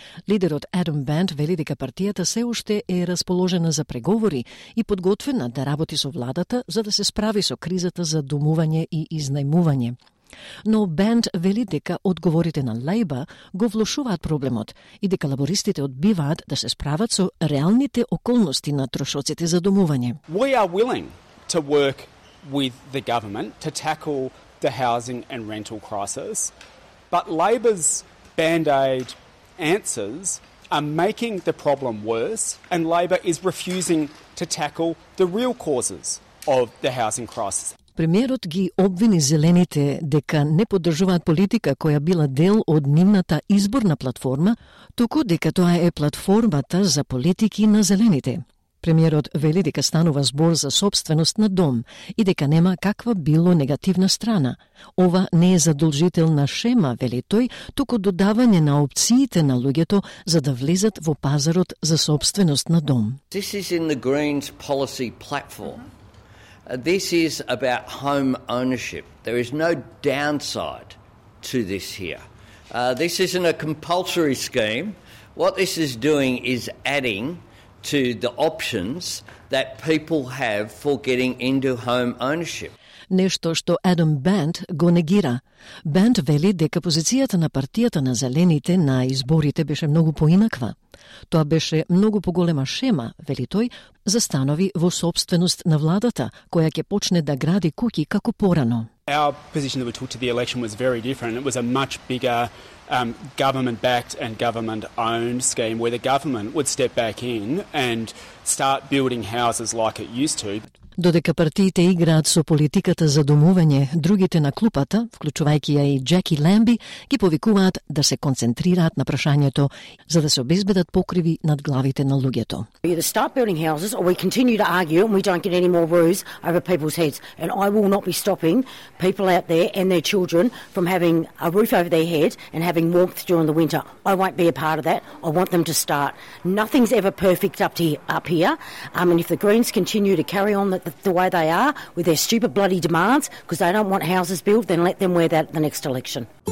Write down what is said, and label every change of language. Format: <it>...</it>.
<mk>Лидерот Адам Бенд вели дека партијата се уште е расположена за преговори и подготвена да работи со владата за да се справи со кризата за домување и изнајмување. Но Бенд вели дека одговорите на Лейба го влошуваат проблемот и дека лабористите одбиваат да се справат со реалните околности на трошоците за домување.</mk> <en>We are willing to work with the government to tackle the housing and rental crisis, but Labor's band-aid answers are making the problem worse and Labor is refusing to tackle the real causes of the housing crisis.</en> <mk>Премиерот ги обвини зелените дека не поддржуваат политика која била дел од нивната изборна платформа, туку дека тоа е платформата за политики на зелените. Премиерот вели дека станува збор за собственост на дом и дека нема каква било негативна страна. Ова не е задолжителна шема, вели тој, туку додавање на опциите на луѓето за да влезат во пазарот за собственост на дом.</mk> <en>This is in the Greens policy platform. This is about home ownership. There is no downside to this here. This isn't a compulsory scheme. What this is doing is adding to the options that people have for getting into home ownership.</en> <mk>Нешто што Адам Бент го негира. Бент вели дека позицијата на партијата на зелените на изборите беше многу поинаква. Тоа беше многу поголема шема, вели тој, за станови во собственост на владата, која ќе почне да гради куќи како порано.</mk> <en>Our position that we took to the election was very different. It was a much bigger government-backed and government-owned scheme where the government would step back in and start building houses like it used to.</en> <mk>Додека партиите играат со политиката за домување, другите на клупата, вклучувајќи ја и Джеки Лемби, ги повикуваат да се концентрираат на прашањето за да се обезбедат покриви над главите на луѓето.</mk> <en>We either start building houses or we continue to argue and we don't get any more roofs over people's heads. And I will not be stopping people out there and their children from having a roof over their head and having warmth during the winter. I won't be a part of that. I want them to start. Nothing's ever perfect up here. And if the Greens continue to carry on the way they are with their stupid bloody demands because they don't want houses built, then let them wear that the next election.</en>